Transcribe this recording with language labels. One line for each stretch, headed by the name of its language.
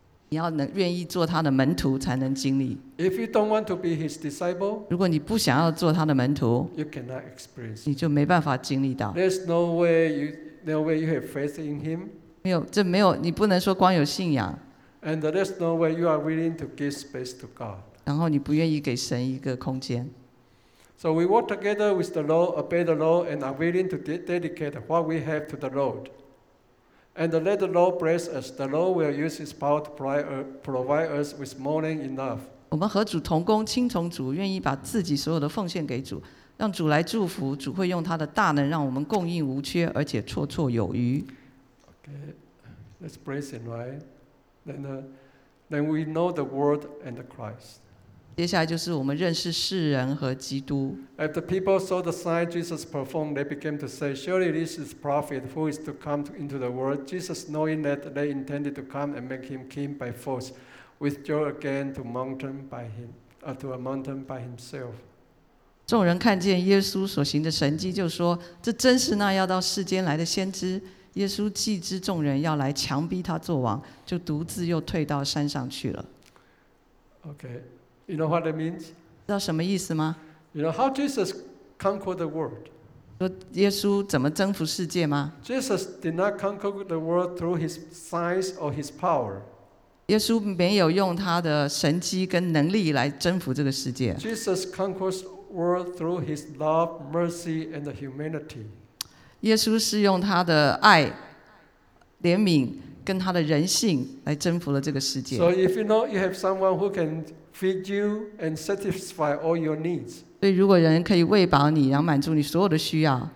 Chinese: 你要能愿意做他的门徒才能经历。
English: If you don't want to be his disciple,
Chinese: 如果你不想要做他的门徒
English: ，you cannot experience,
Chinese: 你就没办法经历到。
English: There's no way you have faith in him.
Chinese: 没有，这没有，你不能说光有信仰。
English: And there's no way you are willing to give space to God.
Chinese: 然后你不愿意给神一个空间。
English: So we work together with the Lord, obey the Lord, and are willing to dedicate what we have to the Lord. And let the Lord bless us. The Lord will use His power to provide us with more than enough.
Chinese: 我们和主同工，听从主，愿意把自己所有的奉献给主，让主来祝福。主会用他的大能，让我们供应无缺，而且绰绰有余。
English: Okay, let's praise Him, right? Then we know the Word and the Christ.
Chinese: 接下来就是我们认识世人和基督。
English: After people saw the sign Jesus performed, they began to say, "Surely this is prophet who is to come into the world." Jesus, knowing that they intended to come and make him king by force, withdrew again to a mountain by himself.
Chinese: 众人看见耶稣所行的神迹，就说：“这真是那要到世间来的先知。” 耶稣既知众人要来强逼他作王，就独自又退到山上去了。
English: Okay. You know what that means?
Chinese: 知道什么意思吗？
English: You know how Jesus conquered the world?
Chinese: 说耶稣怎么征服世界吗？
English: Jesus did not conquer the world through his signs or his power.
Chinese: 耶稣没有用他的神迹跟能力来征服这个世界。
English: Jesus conquered the world through his love, mercy, and the humanity.
Chinese: 耶稣是用他的爱、怜悯跟他的人性来征服了这个世界。
English: So if you know you have someone who canFeed you and satisfy all your needs.
Chinese: 对，如果人可以喂饱你，然后满足你所有的需要。